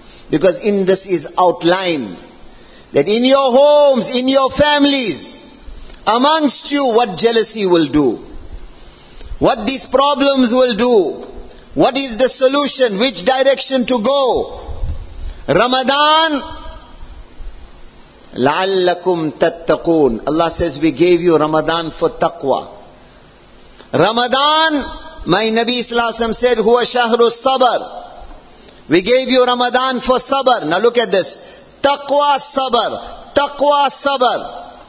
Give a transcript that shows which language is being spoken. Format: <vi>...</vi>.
<en>Because in this is outlined that in your homes, in your families, amongst you, what jealousy will do, what these problems will do, what is the solution, which direction to go.</en> <ar>Ramadan, لَعَلَّكُمْ تَتَّقُونَ.</ar> <en>Allah says, we gave you Ramadan for taqwa. Ramadan, my Nabi Sallallahu Alaihi Wasallam said,</en> <ar>هُوَ شَهْرُ الصَّبَرِ.</ar> <en>We gave you Ramadan for sabr. Now look at this. Taqwa sabr. Taqwa sabr.</en>